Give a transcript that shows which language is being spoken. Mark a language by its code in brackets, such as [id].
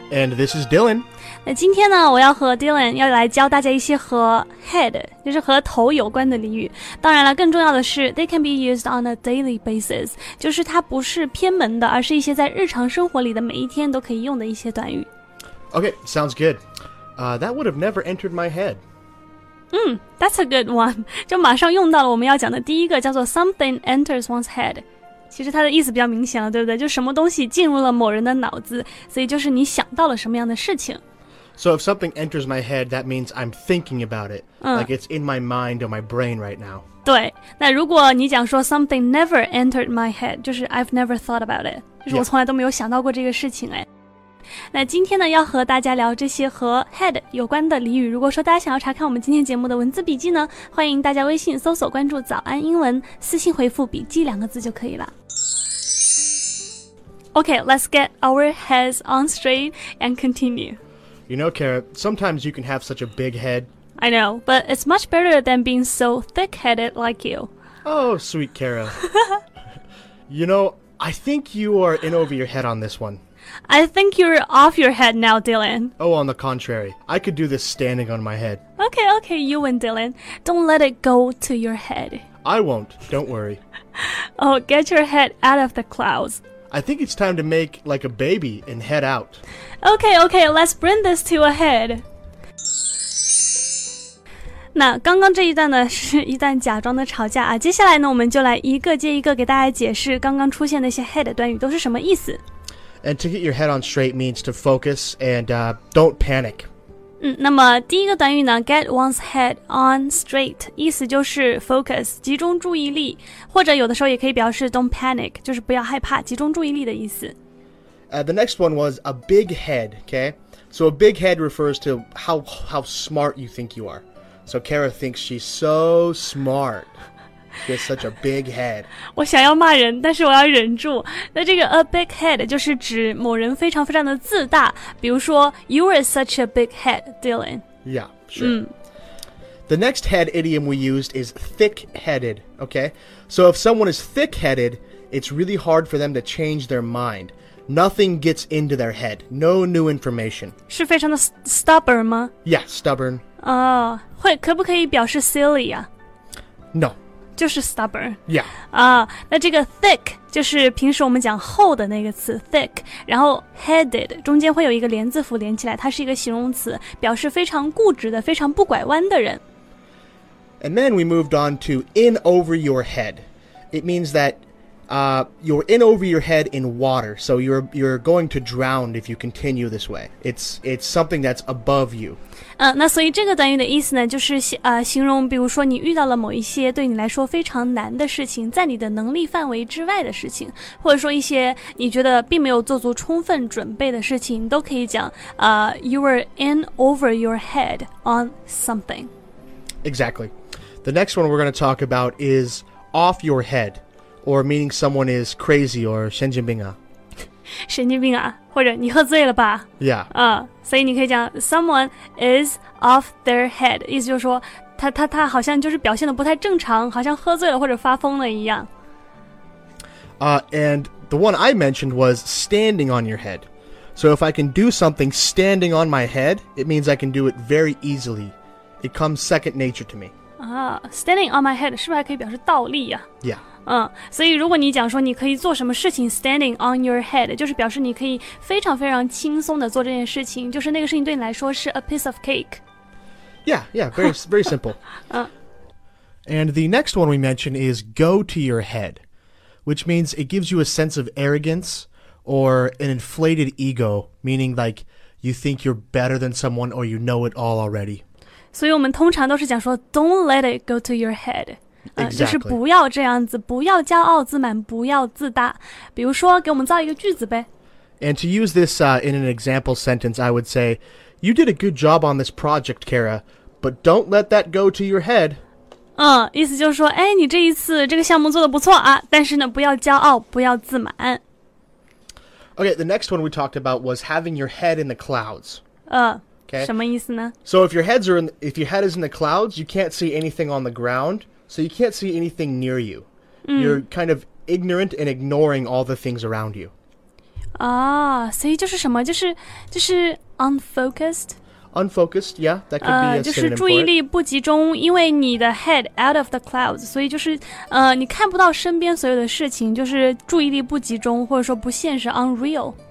[en] And this is Dylan. [zh] 那今天呢，我要和 Dylan 要来教大家一些和 head, 就是和头有关的俚语。当然了，更重要的是 [en] they can be used on a daily basis, [zh] 就是它不是偏门的，而是一些在日常生活里的每一天都可以用的一些短语。 [en] Okay, sounds good. That would have never entered my head. That's a good one. [zh] 就马上用到了我们要讲的第一个叫做 [en] something enters one's head. [zh] 其实它的意思比较明显了，对不对？就什么东西进入了某人的脑子，所以就是你想到了什么样的事情。 [en] So if something enters my head, that means I'm thinking about it. Like it's in my mind or my brain right now. [zh] 对，那如果你讲说 [en] something never entered my head, [zh] 就是 [en] I've never thought about it. [zh] 就是我从来都没有想到过这个事情哎。那今天呢要和大家聊这些和 head 有关的俚语，如果说大家想要查看我们今天节目的文字笔记呢，欢迎大家微信搜索关注早安英文，私信回复笔记两个字就可以了。 [en] Okay, let's get our heads on straight and continue. You know, Kara, sometimes you can have such a big head. I know, but it's much better than being so thick-headed like you. Oh, sweet Kara. You know, I think you are in over your head on this one I think you're off your head now, Dylan. Oh, on the contrary. I could do this standing on my head. Okay, okay, you win, Dylan. Don't let it go to your head. I won't. Don't worry. Oh, get your head out of the clouds. I think it's time to make like a baby and head out. Okay, okay, let's bring this to a head. [zh] 那刚刚这一段呢是一段假装的吵架啊。接下来呢我们就来一个接一个给大家解释刚刚出现那些 head 短语都是什么意思。 [en] And to get your head on straight means to focus and don't panic. [zh] 那么第一个短语呢 [en] get one's head on straight, [zh] 意思就是 focus, 集中注意力，或者有的时候也可以表示 [en] don't panic, [zh] 就是不要害怕，集中注意力的意思。 [en] The next one was a big head, okay? So a big head refers to how smart you think you are. So Kara thinks she's so smart. She has such a big head. [zh] 我想要骂人，但是我要忍住。那这个 [en] a big head [zh] 就是指某人非常非常的自大。比如说 [en] ，You are such a big head, Dylan. Yeah, sure. The next head idiom we used is thick-headed. Okay, so if someone is thick-headed, it's really hard for them to change their mind. Nothing gets into their head. No new information. [zh] 是非常的 stubborn 吗 [en] ？Yeah, stubborn. [zh] 哦，会可不可以表示 silly 啊 [en] ？No. [zh] 就是 stubborn. [en] Yeah. [zh] 那这个 thick 就是平时我们讲厚的那个词 thick, 然后 headed 中间会有一个连字符连起来，它是一个形容词，表示非常固执的，非常不拐弯的人。 [en] And then we moved on to in over your head. It means that you're in over your head in water, so you're going to drown if you continue this way. It's something that's above you. [zh] 那所以这个短语的意思呢，就是形容，比如说你遇到了某一些对你来说非常难的事情，在你的能力范围之外的事情，或者说一些你觉得并没有做足充分准备的事情，都可以讲 [en] you were in over your head on something. Exactly. The next one we're going to talk about is off your head. Or meaning someone is crazy or [zh] 神经病啊。神经病啊，或者你喝醉了吧。 [en] Yeah. [zh] 所以你可以讲 [en] someone is off their head. [zh] 意思就是说他好像就是表现得不太正常，好像喝醉了或者发疯了一样。 [en] And the one I mentioned was standing on your head. So if I can do something standing on my head, it means I can do it very easily. It comes second nature to me. Standing on my head [zh] 是不是还可以表示倒立啊。 [en] Yeah. [zh] 所以如果你讲说你可以做什么事情 [en] standing on your head, [zh] 就是表示你可以非常非常轻松的做这件事情，就是那个事情对你来说是 [en] a piece of cake. Yeah, yeah, very, very simple. And the next one we mentioned is go to your head, which means it gives you a sense of arrogance or an inflated ego, meaning like you think you're better than someone or you know it all already. [zh] 所以我们通常都是讲说 [en] don't let it go to your head. Exactly. [zh] 就是不要这样子，不要骄傲自满，不要自大。比如说，给我们造一个句子呗。 [en] And to use this in an example sentence, I would say, "You did a good job on this project, Kara, but don't let that go to your head." [zh] 意思就是说，哎，你这一次这个项目做得不错啊，但是呢，不要骄傲，不要自满。 [en] Okay, the next one we talked about was having your head in the clouds. [zh] Okay. 什么意思呢 [en] ？So if your heads are in, if your head is in the clouds, you can't see anything on the ground.So you can't see anything near you. You're kind of ignorant and ignoring all the things around you. [zh] Ah, 所以就是什么？就是 unfocused. [en] Unfocused, yeah, that could be a synonym for it. [zh] 就是注意力不集中，因为你的 [en] head out of the clouds, [zh] 所以就是你看不到身边所有的事情，就是注意力不集中，或者说不现实 unreal.